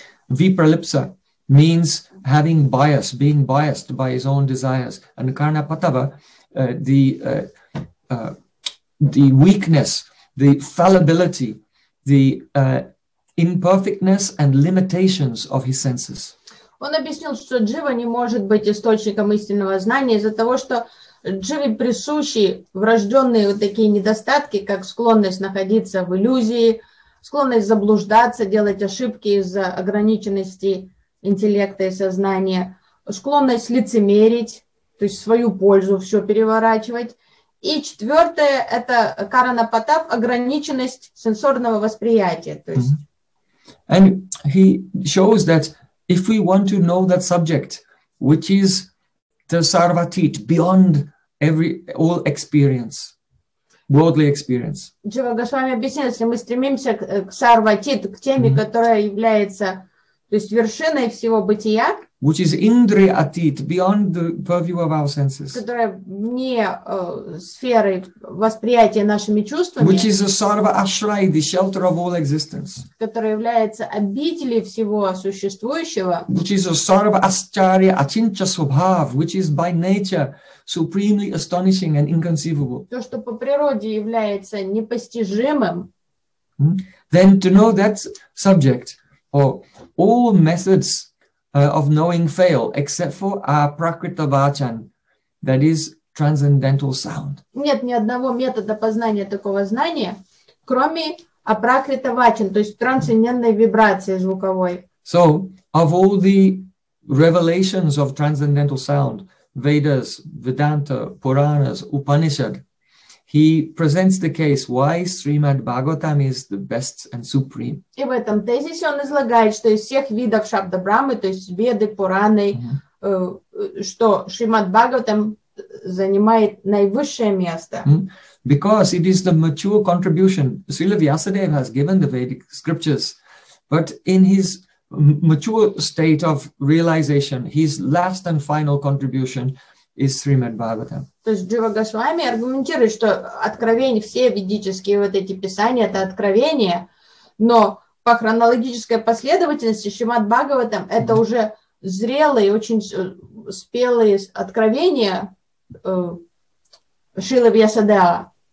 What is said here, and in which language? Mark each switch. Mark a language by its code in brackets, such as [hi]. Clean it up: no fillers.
[en] Vipralipsa means having bias, being biased by his own desires. And Karnapatava, the weakness, the fallibility, the imperfectness and limitations of his senses. [ru] Он объяснил, что Джива не может быть источником истинного знания из-за того, что Дживе присущи врожденные вот такие недостатки, как склонность находиться в иллюзии, склонность заблуждаться, делать ошибки из-за ограниченности интеллекта и сознания, склонность лицемерить, то есть свою пользу все переворачивать. И четвертое – это карана патап, ограниченность сенсорного восприятия. То есть... [en] And he shows that if we want to know that subject, which is the sarvatit, beyond all experience, worldly experience. [ru] Джива Госвами объясняет, если мы стремимся к сарватит, к теме, которая является, то есть вершиной всего бытия, [en] which is indri atit, beyond the purview of our senses, [ru] которая вне сферы восприятия нашими чувствами, [en] which is a sarva ashray, the shelter of all existence, [ru] которая является обителью всего существующего, [en] which is a sarva ascharya achincha svabhav, which is by nature supremely astonishing and inconceivable. [ru] То, что по природе является непостижимым. [en] Then to know that subject, or all methods of knowing fail, except for aprakrita vachan, that is transcendental sound. [ru] Нет ни одного метода познания такого знания, кроме апракрита вачан, то есть трансцендентной вибрации звуковой. [en] So, of all the revelations of transcendental sound, Vedas, Vedanta, Puranas, Upanishad, he presents the case why Srimad Bhagavatam is the best and supreme. [ru] И в этом тезисе он излагает, что из всех видов Шабда Брамы, то есть Веды, Пураны, что Шримад Бхагаватам занимает наивысшее место. [en] Because it is the mature contribution. Srila Vyasadeva has given the Vedic scriptures, but in his mature state of realization, his last and final contribution is Srimad Bhagavatam. [ru] То есть Джива Госвами аргументирует, что откровения, все ведические вот эти писания, это откровения, но по хронологической последовательности Шримад Бхагаватам это уже зрелые, очень спелые откровения Шрилы Вьясадева.